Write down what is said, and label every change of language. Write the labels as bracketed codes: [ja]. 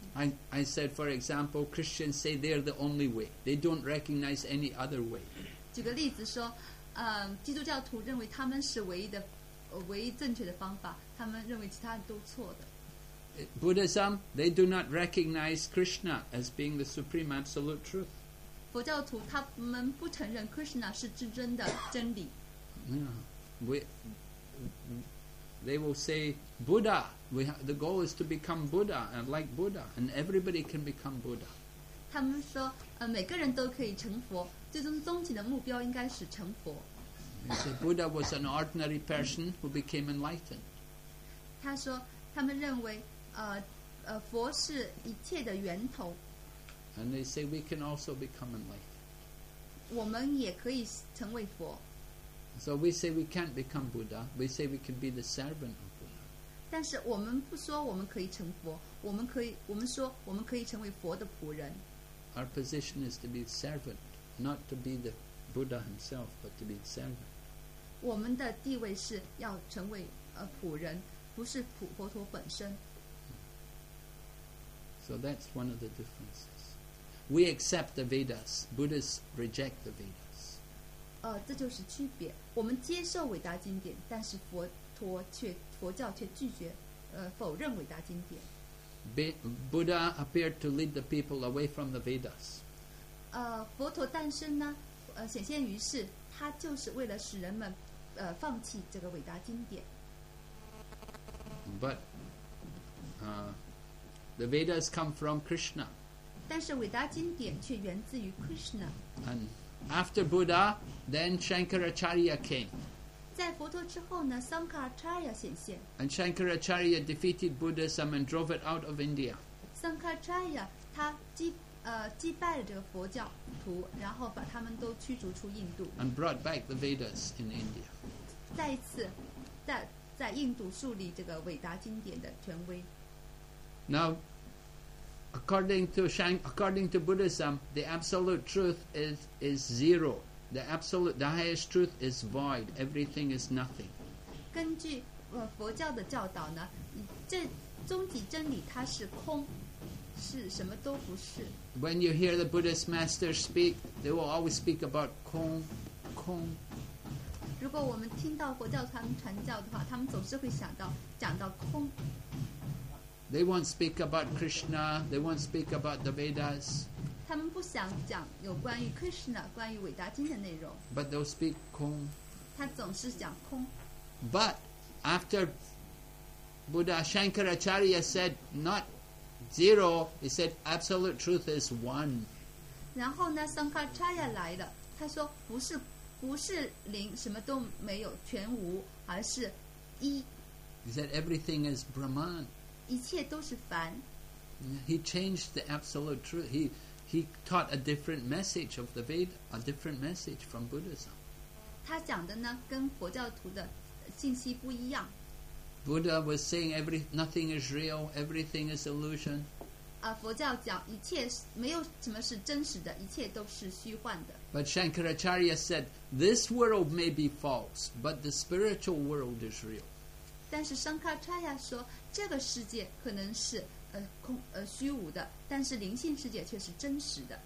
[en] I said, for example, Christians say they are the only way. They don't recognize any other way. [zh] 举个例子说，基督教徒认为他们是唯一正确的方法，他们认为其他都错的。 [en] Buddhism, they do not recognize Krishna as being the supreme absolute truth. [zh] 佛教徒他们不承认 Krishna 是至真的真理。 [en] Yeah, they will say Buddha. The goal is to become Buddha and like Buddha, and everybody can become Buddha. [zh] 他们说，每个人都可以成佛。最终终极的目标应该是成佛。 [en] Buddha was an ordinary person who became enlightened. [zh] 他说，他们认为。佛是一切的源头。 [en] And they say we can also become enlightened. [zh] 我们也可以成为佛。 [en] So we say we can't become Buddha. We say we can be the servant of Buddha. [zh] 但是我们不说我们可以成佛，我们说我们可以成为佛的仆人。 [en] Our position is to be the servant, not to be the Buddha himself, but to be the servant. [zh] 我们的地位是要成为仆人，不是佛陀本身。 [en] So that's one of the differences. We accept the Vedas. Buddhists reject the Vedas. [zh] 这就是区别。我们接受伟大经典，但是佛教却拒绝，否认伟大经典。 [en] Buddha appeared to lead the people away from the Vedas. [zh] 佛陀诞生呢，显现于世，他就是为了使人们，放弃这个伟大经典。 [en] But, The Vedas come from Krishna. [zh] 但是伟大经典却源自于 Krishna. [en] And after Buddha, then Shankaracharya came. [zh] 在佛陀之后呢 ,Shankaracharya 显现。 [en] And Shankaracharya defeated Buddhism and drove it out of India. [zh] Shankaracharya, 他击败了这个佛教徒，然后把他们都驱逐出印度。 [en] And brought back the Vedas in India. [zh] 再一次在印度树立这个伟大经典的权威。 [en] Now, according to Buddhism, the absolute truth is zero. The highest truth is void. Everything is nothing. [zh] 根据佛教的教导呢，这终极真理它是空，是什么都不是。 [en] When you hear the Buddhist masters speak, they will always speak about 空，空。 [zh] 如果我们听到佛教传教的话，他们总是会想到讲到空。 [en] They won't speak about Krishna. They won't speak about the Vedas. [zh] 他们不想讲有关于 Krishna 关于伟大经的内容。 [en] But they'll speak 空。 [zh] 他总是讲空。 [en] But after Buddha Shankaracharya said not zero, he said absolute truth is one. [zh] 然后呢 ，Shankaracharya 来了，他说不是零，什么都没有，全无，而是一。 [en] He said everything is Brahman. [zh] 一切都是凡。 [en] He changed the absolute truth. He taught a different message of the Veda, a different message from Buddhism. [zh] 他讲的呢，跟佛教徒的信息不一样。 [en] Buddha was saying nothing is real, everything is illusion. [zh] 佛教讲一切没有什么是真实的，一切都是虚幻的。 [en] But Shankaracharya said this world may be false, but the spiritual world is real. [zh] 但是 Shankaracharya 说。这个世界可能是空虚无的，但是灵性世界却是真实的。